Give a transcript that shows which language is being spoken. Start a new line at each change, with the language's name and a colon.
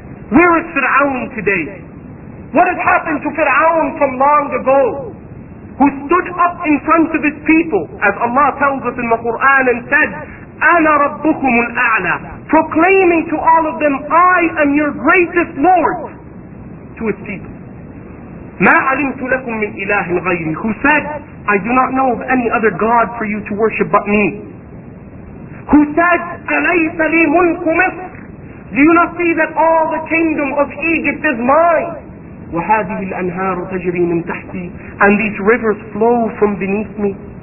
English: Where is Fir'aun today? What has happened to Fir'aun from long ago, who stood up in front of his people, as Allah tells us in the Quran, and said,
Arabic: أنا ربكم الأعلى,
English: proclaiming to all of them, I am your greatest Lord. To his people.
Arabic: مَا عَلِمْتُ لَكُمْ مِنْ إِلَٰهٍ غَيْرِ.
English: Who said, I do not know of any other God for you to worship but me. Who said,
Arabic: أَلَيْسَ لِي مُلْكُ مِصْرِ.
English: Do you not see that all the kingdom of Egypt is mine?
Arabic: وهذه الأنهار تجري من تحتي,
English: and these rivers flow from beneath me.